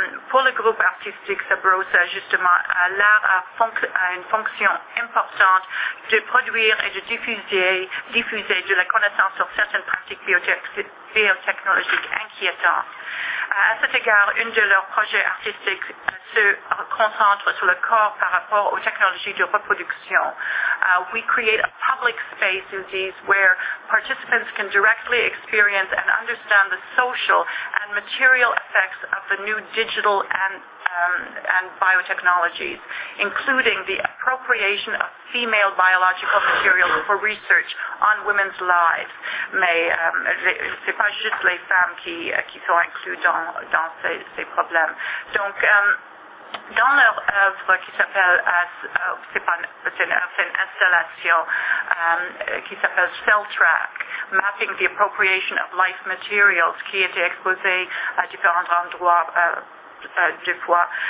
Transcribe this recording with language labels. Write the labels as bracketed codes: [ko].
[fr] Pour le groupe artistique Sub Rosa, justement, l'art a une fonction importante de produire et de diffuser de la connaissance sur certaines pratiques biotechnologiques inquiétantes. À cet égard, une de leurs projets artistiques se concentre sur le corps par rapport aux technologies de reproduction. [en] We create a public space, in these, where participants can directly experience and understand the social and material effects of the new digital and biotechnologies, including the appropriation of female biological material for research on women's lives. [fr] Mais c'est pas juste les femmes qui sont incluses dans ces problèmes. Donc, dans leur œuvre qui s'appelle, c'est une installation qui s'appelle Cell Track, Mapping the Appropriation of Life Materials, qui a été exposée à différents endroits deux fois.